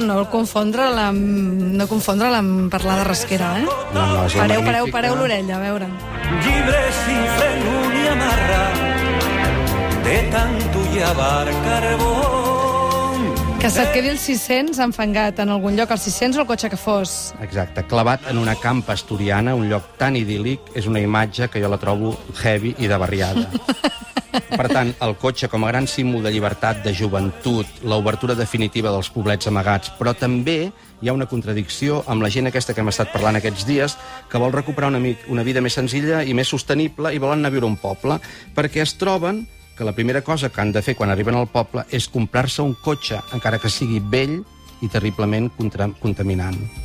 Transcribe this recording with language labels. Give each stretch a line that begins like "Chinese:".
Catalan: No confondre-la amb parlar de Rasquera, eh? No, és pareu, magnífic. Pareu l'orella, a veure.
Spanish: Llibres sin freno ni amarra, de tanto llevar carbón.
Catalan: Que se't quedi el 600 enfangat en algun lloc, el 600 o el cotxe que fos. Exacte, clavat en una campa asturiana, un lloc tan idíl·lic, és una imatge que jo la trobo heavy i de barriada. Per tant, el cotxe com a gran símbol de llibertat, de joventut, l'obertura definitiva dels poblets amagats, però també hi ha una contradicció amb la gent aquesta que hem estat parlant aquests dies, que vol recuperar una vida més senzilla i més sostenible i volen anar a viure a un poble, perquè es troben que la primera cosa que han de fer quan arriben al poble és comprar-se un cotxe, encara que sigui vell i terriblement contaminant.